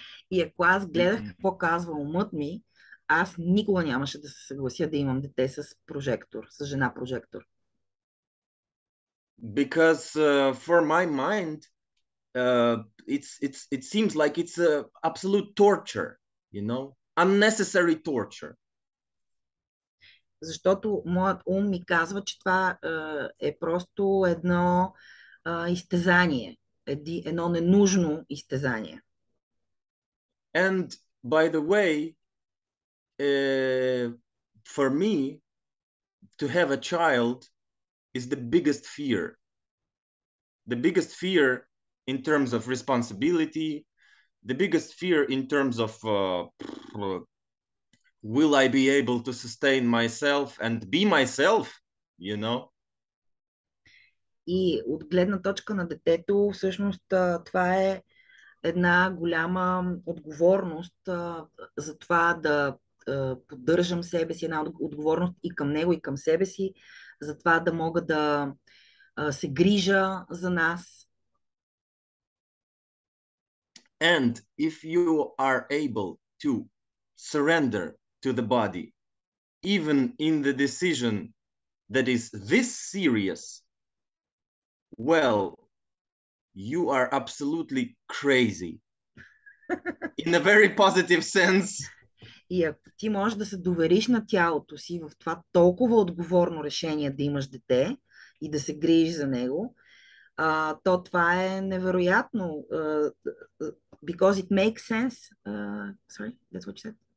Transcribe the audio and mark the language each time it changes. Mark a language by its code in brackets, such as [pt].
[bg] И ако аз гледах какво казва умът ми, аз никога нямаше да се съглася да имам дете с прожектор, с жена прожектор. [en] Because for my mind, it seems like it's a absolute torture, you know, unnecessary torture. [bg] Защото моят ум ми казва, че това е просто едно изтезание, едно ненужно изтезание. [en] And by the way, for me, to have a child is the biggest fear. The biggest fear in terms of responsibility, the biggest fear in terms of will I be able to sustain myself and be myself, you know? [bg] И от гледна точка на детето, всъщност това е една голяма отговорност за това да поддържам себе си, една отговорност и към него, и към себе си, за това да мога да се грижа за нас. [en] And if you are able to surrender to the body, even in the decision that is this serious, well, you are absolutely crazy. In a very positive sense. [bg] И ако ти можеш да се довериш на тялото си в това толкова отговорно решение да имаш дете и да се грижиш за него, то това е невероятно. [en] Because it makes sense. Sorry, that's what you said.